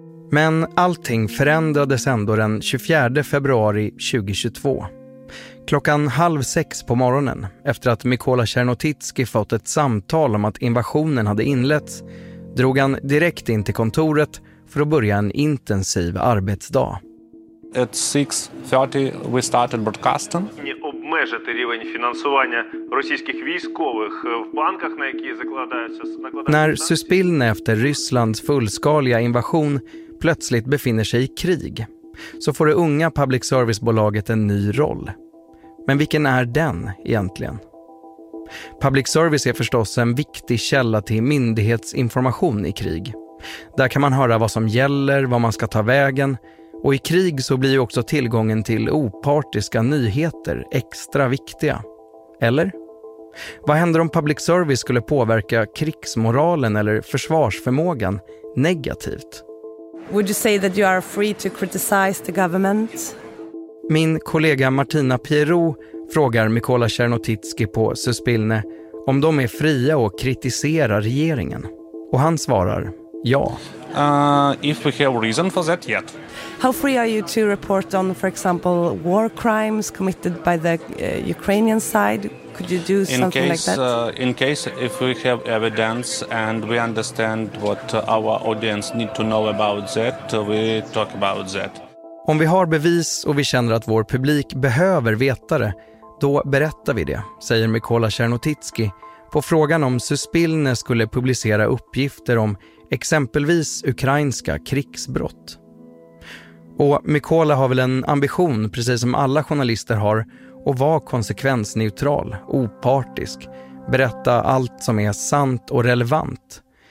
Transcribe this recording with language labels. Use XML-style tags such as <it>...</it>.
<sv>Men allting förändrades ändå den 24 februari 2022. Klockan 5:30 på morgonen, efter att Mykola Chernotitsky fått ett samtal om att invasionen hade inletts, drog han direkt in till kontoret för att börja en intensiv arbetsdag.</sv> <en>At 6:30 we started broadcasting.</en> <uk>Не обмежити рівень фінансування російських військових в банках, на які закладаються накладання.</uk> <sv>När Suspilne efter Rysslands fullskaliga invasion plötsligt befinner sig i krig, så får det unga public service-bolaget en ny roll. Men vilken är den egentligen? Public service är förstås en viktig källa till myndighetsinformation i krig. Där kan man höra vad som gäller, vad man ska ta vägen. Och i krig så blir ju också tillgången till opartiska nyheter extra viktiga. Eller? Vad händer om public service skulle påverka krigsmoralen eller försvarsförmågan negativt?</sv> <en>Would you say that you are free to criticize the government?</en> <sv>Min kollega Martina Pierrot frågar Mykola Chernotitsky på Suspilne om de är fria att kritisera regeringen. Och han svarar ja.</sv> <en>If we have reason for that yet. How free are you to report on, for example, war crimes committed by the Ukrainian side? Could you do something in case, like that? In case if we have evidence and we understand what our audience need to know about that, we talk about that.</en> <sv>Om vi har bevis och vi känner att vår publik behöver veta det, då berättar vi det, säger Mykola Tjernotitsky på frågan om Suspilne skulle publicera uppgifter om exempelvis ukrainska krigsbrott. Och Mykola har väl en ambition, precis som alla journalister har, att vara konsekvensneutral, opartisk, berätta allt som är sant och relevant.</sv>